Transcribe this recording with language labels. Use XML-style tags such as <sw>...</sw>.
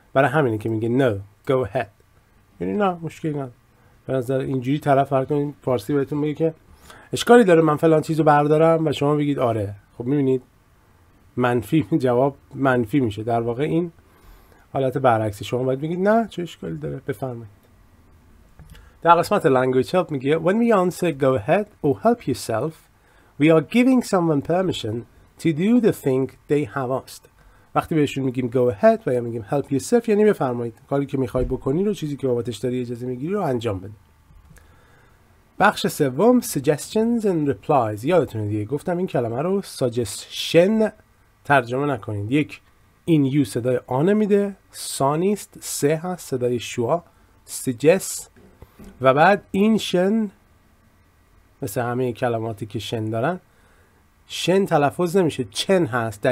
<fa>برای همینه که میگه</fa> <en>No, go ahead،</en> <fa>یعنی نه مشکلی نه. به نظر اینجوری طرف فرق کنید فارسی بهتون میگه که اشکالی داره من فلان چیزو بردارم و شما بگید آره. خب میبینید منفی، جواب منفی میشه. در واقع این حالت برعکسی، شما باید بگید نه چه اشکالی داره بفرمایید. در قسمت language help میگه</fa> <en>When we answer go ahead or help yourself we are giving someone permission to do the thing they have asked.</en> <fa>وقتی بهشون میگیم</fa> <en>go ahead</en> <fa>و یا میگیم</fa> <en>help yourself</en> <fa>یعنی بفرمایید کاری که میخوای بکنی رو، چیزی که بابتش داری اجازه میگیری رو انجام بده. بخش سوم</fa> <en>suggestions and replies.</en> <fa>یادتونه دیگه گفتم این کلمه رو suggestion ترجمه نکنید. یک این یو صدای آنه میده، سانیست، سه هست صدای شوا، suggest و بعد این شن مثل همه کلماتی که شن دارن شن تلفظ نمیشه، چن هست.</fa>